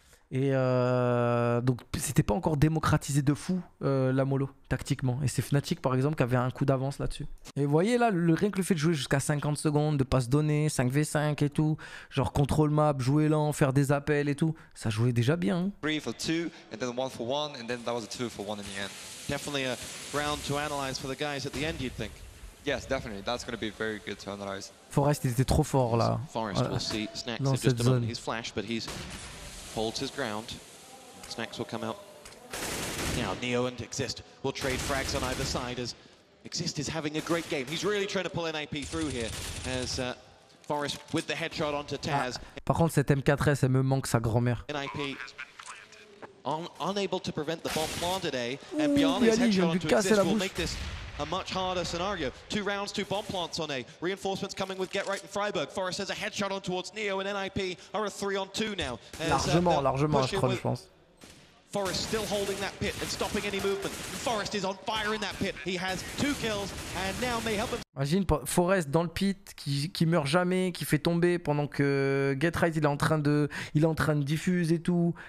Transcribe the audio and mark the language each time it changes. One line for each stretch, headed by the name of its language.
French: Et donc c'était pas encore démocratisé de fou la molo tactiquement. Et c'est Fnatic par exemple qui avait un coup d'avance là-dessus. Et vous voyez là, rien que le fait de jouer jusqu'à 50 secondes, de pas se donner, 5v5 et tout, genre contrôle map, jouer lent, faire des appels et tout, ça jouait déjà bien.
English: 3 for 2, and then 1 for 1, and then that was a 2 for 1 in the end. Definitely a round to analyze for the guys at the end, you'd think. Yes, definitely. That's going to be very good to analyze.
French: Forest il était trop fort là. Forest, voilà.
English: We'll see Snax in just a moment. He's flash, but he's... holds his ground. Snax will come out. Now Neo and Exist will trade frags on either side as Exist is having a great game. He's really trying to pull NIP through here as Forrest with the headshot onto Taz.
French: Ah, par contre cette M4S elle me manque sa grand-mère.
English: NIP unable to prevent the bomb planted today. And Bialy's headshot onto Exist will make this a much harder scenario. Two rounds, two bomb plants on A. Reinforcements coming with Getright and Freiburg. Forrest has a headshot on towards Neo, and NIP are a 3-on-2 now.
French: Largement, je pense.
English: Forrest still holding that pit and stopping any movement. Forrest is on fire in that pit. He has two kills and now may help him.
French: Imagine Forrest dans le pit qui meurt jamais, qui fait tomber pendant que Get Right il est en train de diffuser et tout.